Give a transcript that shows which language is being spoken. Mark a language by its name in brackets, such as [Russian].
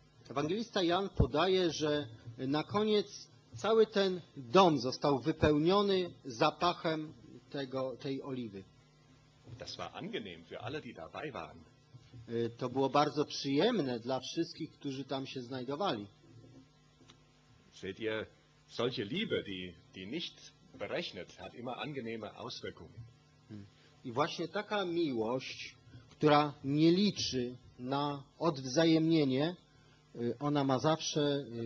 [Polish] Ewangelista Jan podaje, że na koniec cały ten dom został wypełniony zapachem tej oliwy. [German] Das war angenehm für alle, die dabei waren. [Polish] To było bardzo przyjemne dla wszystkich, którzy tam się znajdowali. [German] Seht ihr, solche Liebe, die nicht berechnet, hat immer angenehme Auswirkungen. [Polish] I właśnie taka miłość, która nie liczy na odwzajemnienie, ona ma zawsze